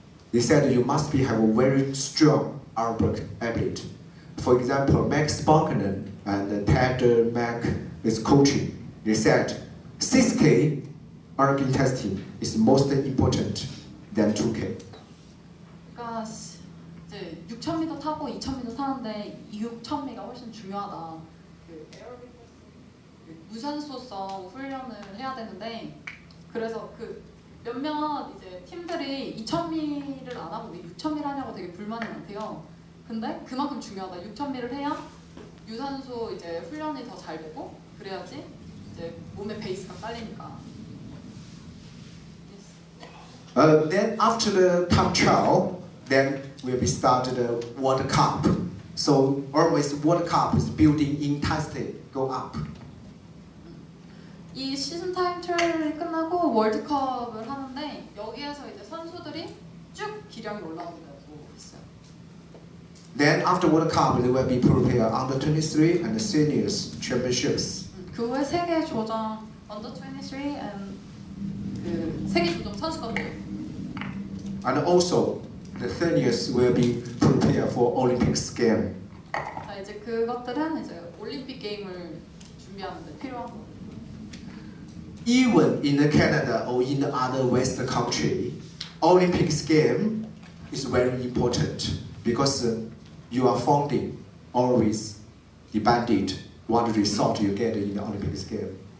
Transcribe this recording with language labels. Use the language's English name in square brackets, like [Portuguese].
[English] They said you must have a very strong ergo habit. For example, Max Bakkenen and Ted Mack is coaching. They said, 6K arcing testing is most important than 2K. [Korean] 그러니까 이제 6,000m 타고 2,000m 타는데 6,000m가 훨씬 중요하다. 무산소성 훈련을 해야 되는데 그래서 그 몇몇 이제 팀들이 2,000m를 안 하고 왜 6,000m를 하냐고 되게 불만이 많대요. 근데 그만큼 중요하다. 6,000m를 해야 유산소 이제 훈련이 더 잘 되고 그래야지 이제 몸에 베이스가 깔리니까. [English] Then after the time trial, then we'll be started the World Cup. So always World Cup is building intensity go up. [Korean] 이 시즌 타임 트라이얼이 끝나고 월드컵을 하는데 여기에서 이제 선수들이 쭉 기량이 올라온다고 했어요. [English] Then after World Cup, they will be prepared under 23 and the seniors championships. [Korean] 그 후에 세계 조정 [English] under 23 and [Korean] 그 세계 조정 선수권도. [English] And also, the seniors will be prepared for Olympics game. [Korean] 자 이제 그것들은 이제 올림픽 게임을 준비하는데 필요한 거. [English] Even in Canada or in the other Western country, Olympics game is very important because you are funding always depended what result you get in the Olympics game.